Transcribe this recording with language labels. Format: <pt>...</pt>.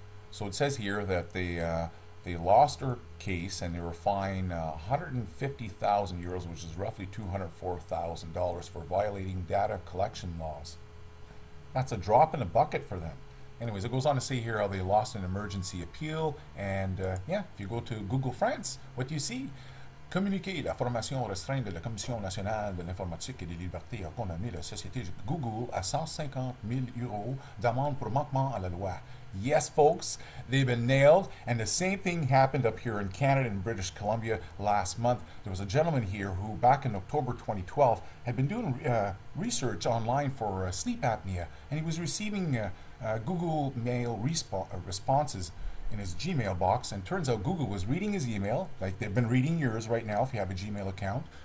<en>So it says here that they lost their case and they were fined 150,000 euros, which is roughly $204,000 for violating data collection laws. That's a drop in the bucket for them. Anyways, it goes on to say here how they lost an emergency appeal. And yeah, if you go to Google France, what do you see?</en> <fr>Communiqué, la formation restreinte de la Commission nationale de l'informatique et des libertés a condamné la société Google à 150 000 euros d'amende pour manquement à la loi.</fr> <en>Yes, folks, they've been nailed. And the same thing happened up here in Canada and British Columbia last month. There was a gentleman here who, back in October 2012, had been doing research online for sleep apnea, and he was receiving Google mail responses in his Gmail box, and turns out Google was reading his email, like they've been reading yours right now if you have a Gmail account.</en>